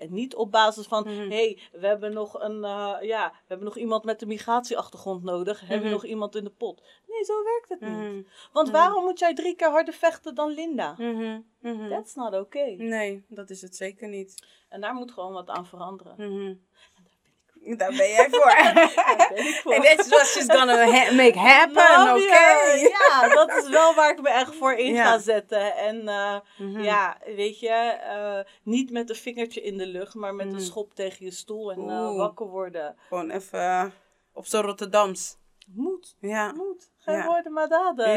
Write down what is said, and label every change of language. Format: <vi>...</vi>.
<nl>en niet op basis van... Hey, we hebben nog we hebben nog iemand met een migratieachtergrond nodig. Mm-hmm. Hebben we nog iemand in de pot? Nee, zo werkt het niet. Want waarom moet jij 3 keer harder vechten dan Linda? Mm-hmm.</nl> <en>That's not okay.</en> <nl>Nee, dat is het zeker niet. En daar moet gewoon wat aan veranderen. Mm-hmm. Daar ben jij voor.</nl> <en>En that's what she's gonna make happen, okay?</en> <nl>Ja, dat is wel waar ik me echt voor in ga zetten. En weet je, niet met een vingertje in de lucht, maar met een schop tegen je stoel en wakker worden. Gewoon even op zo'n Rotterdams. Moed. Geen woorden, maar daden.</nl>